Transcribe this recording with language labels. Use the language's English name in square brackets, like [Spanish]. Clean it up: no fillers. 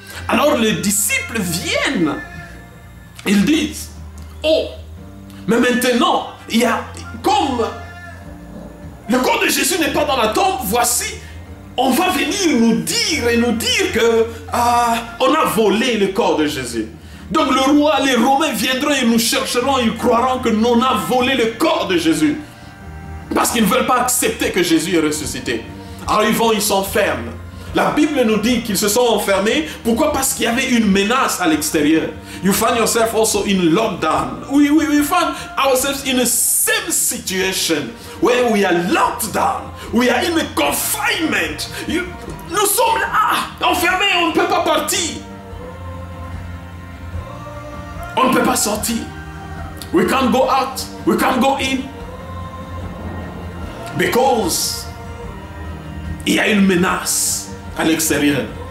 [French] Alors les disciples viennent, ils disent, « Oh, mais maintenant, il y a, comme le corps de Jésus n'est pas dans la tombe, voici, on va venir nous dire et nous dire que on a volé le corps de Jésus. » Donc le roi, les Romains viendront et nous chercheront, ils croiront que nous on a volé le corps de Jésus. Parce qu'ils ne veulent pas accepter que Jésus est ressuscité. Alors ils vont, ils s'enferment. La Bible nous dit qu'ils se sont enfermés. Pourquoi? Parce qu'il y avait une menace à l'extérieur. [English] You find yourself also in lockdown. We find ourselves in the same situation where we are locked down. We are in a confinement. [French] Nous sommes là, enfermés, on ne peut pas partir. On ne peut pas sortir. We can't go out. We can't go in. Because il y a une menace à l'extérieur.